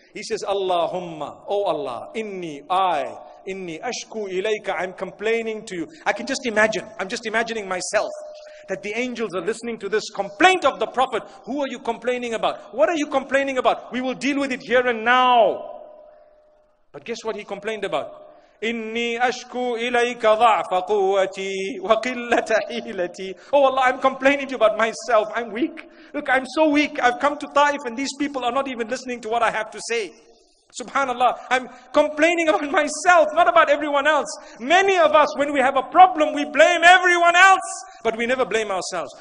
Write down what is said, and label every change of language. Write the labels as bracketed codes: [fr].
[en] He says, Allahumma, oh Allah, [ar] inni ashku ilayka, [en] I'm complaining to you. I can just imagine, I'm just imagining myself, that the angels are listening to this complaint of the Prophet. Who are you complaining about? What are you complaining about? We will deal with it here and now. But guess what he complained about? [ar] إني أشكو إليك ضعف قوتي وقلة حيلتي. [en] Oh Allah, I'm complaining to you about myself. I'm weak. Look, I'm so weak. I've come to Taif and these people are not even listening to what I have to say. Subhanallah, I'm complaining about myself, not about everyone else. Many of us, when we have a problem, we blame everyone else, but we never blame ourselves.